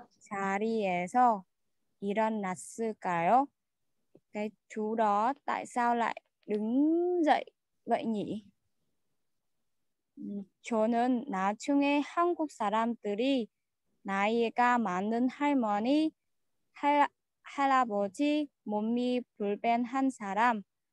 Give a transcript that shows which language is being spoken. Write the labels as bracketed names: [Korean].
[Korean] 자리에서 일어났을까요? [Vietnamese] Cái chú đó tại sao lại đứng dậy vậy nhỉ? [Korean] 저는 나중에 한국 사람들이 나이가 많은 할머니, 할아버지, 몸이 불편한 사람.